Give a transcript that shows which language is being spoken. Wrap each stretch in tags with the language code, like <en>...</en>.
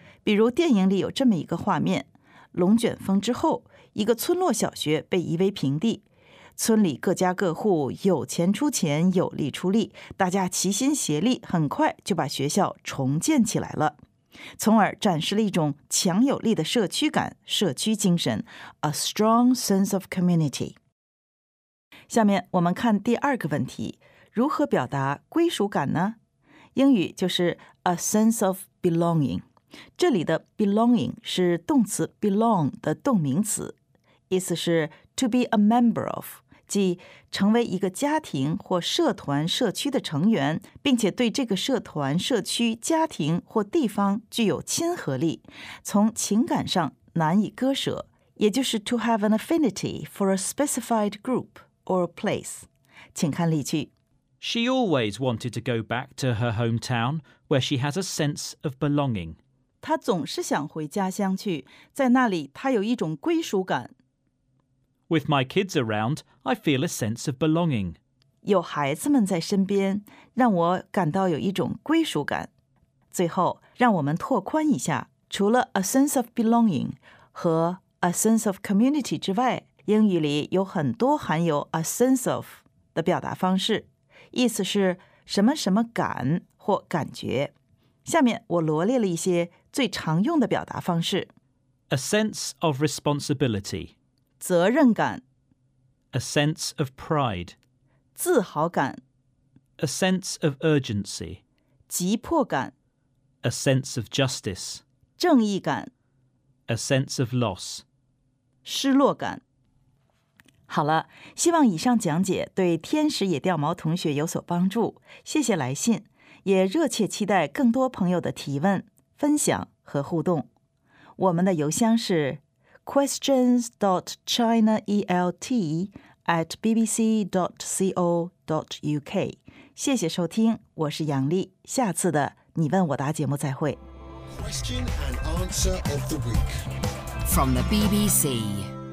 <zh>比如电影里有这么一个画面，龙卷风之后，一个村落小学被夷为平地，村里各家各户有钱出钱，有力出力，大家齐心协力，很快就把学校重建起来了，从而展示了一种强有力的社区感，社区精神 ,</zh> <en>a strong sense of community。</en> <zh>下面我们看第二个问题，如何表达归属感呢？英语就是</zh> <en>a sense of belonging。</en> <zh>这里的 belonging 是动词 belong 的动名词，意思是</zh> <en>to be a member of，</en> <zh>即成为一个家庭或社团社区的成员，并且对这个社团社区家庭或地方具有亲和力，从情感上难以割舍，也就是</zh> <en>to have an affinity for a specified group or place。</en> <zh>请看例句。</zh> <en>She always wanted to go back to her hometown where she has a sense of belonging。</en> <zh>他总是想回家乡去，在那里他有一种归属感。</zh> <en>With my kids around, I feel a sense of belonging.</en> <zh>有孩子们在身边，让我感到有一种归属感。最后，让我们拓宽一下，除了</zh> <en>a sense of belonging</en> <zh>和</zh> <en>a sense of community</en> <zh>之外，英语里有很多含有 a sense of 的表达方式，意思是什么什么感或感觉。下面我罗列了一些最常用的表达方式。</zh> <en>A sense of responsibility.</en> <zh>责任感。</zh> <en>A sense of pride.</en> <zh>自豪感。</zh> <en>A sense of urgency.</en> <zh>急迫感。</zh> <en>A sense of justice.</en> <zh>正义感。</zh> <en>A sense of loss.</en> <zh>失落感。好了，希望以上讲解对天使也掉毛同学有所帮助。谢谢来信。也热切期待更多朋友的提问、分享和互动。我们的邮箱是 questions.chinaelt@bbc.co.uk。谢谢收听，我是杨丽，下次的你问我答节目再会。</zh> <en>Question and answer of the week from the BBC.</en>